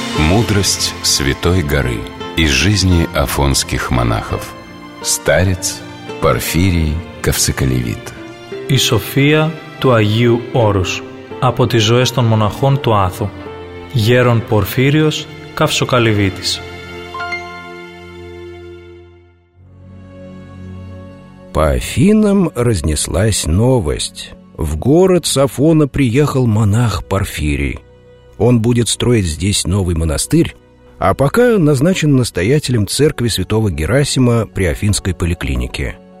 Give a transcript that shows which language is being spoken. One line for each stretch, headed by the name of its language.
Russian: Мудрость Святой Горы из жизни афонских монахов. Старец Порфирий Ковсоколевит.
Greek: И София του Αγίου Όρους από τις ζωές των μοναχών του Άθου. Γέρον Πορφύριος Καυσοκαλυβίτης.
Russian: По Афинам разнеслась новость. В город с Афона приехал монах Порфирий. Он будет строить здесь новый монастырь, а пока назначен настоятелем церкви святого Герасима при Афинской поликлинике.